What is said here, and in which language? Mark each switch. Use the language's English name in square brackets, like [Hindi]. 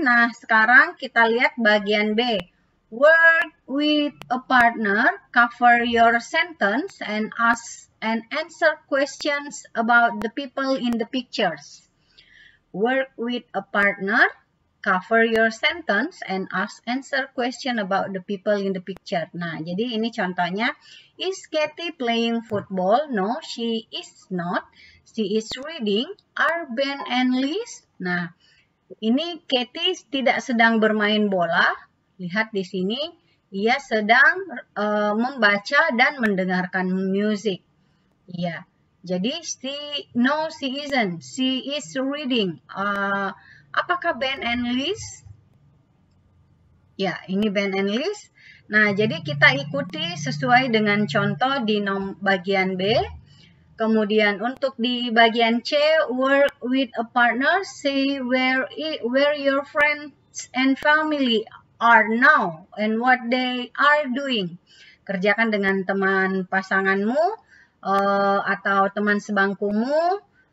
[Indonesian] Nah, sekarang kita lihat bagian B. [English] Work with a partner, cover your sentence and ask and answer questions about the people in the pictures. Work with a partner, cover your sentence and ask answer question about the people in the picture. [Indonesian] Nah, jadi ini contohnya. [English] Is Katie playing football? No, she is not. She is reading. Are Ben and Liz? [Indonesian] Nah, ini Katie tidak sedang bermain bola. Lihat di sini, ia sedang membaca dan mendengarkan musik. Ya, jadi [English] she isn't. She is reading. [Indonesian] Apakah Ben and Liz? Ya, ini Ben and Liz. Nah, jadi kita ikuti sesuai dengan contoh di bagian B. Kemudian untuk di bagian C, [English] work with a partner. See where your friends and family are now and what they are doing. [Indonesian] Kerjakan dengan teman pasanganmu atau teman sebangkumu.